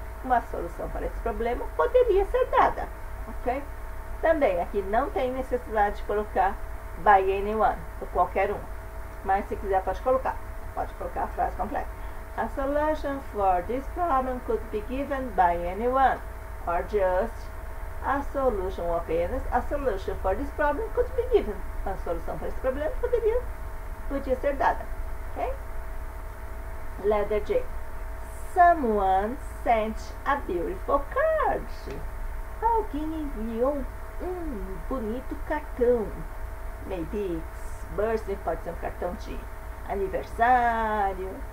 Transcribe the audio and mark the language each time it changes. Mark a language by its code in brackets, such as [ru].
[pt] Uma solução para esse problema poderia ser dada. Ok? Também aqui não tem necessidade de colocar [en] by anyone, [pt] por qualquer um. Mas se quiser, pode colocar. Pode colocar a frase completa: [en] A solution for this problem could be given by anyone, or just. A solution [pt] apenas, [en] a solution for this problem could be given. [pt] A solução para esse problema podia ser dada. [en] Ok? Letter J. Someone sent a beautiful card. [pt] Alguém enviou um bonito cartão. [en] Maybe it's birthday, [pt] pode ser um cartão de aniversário.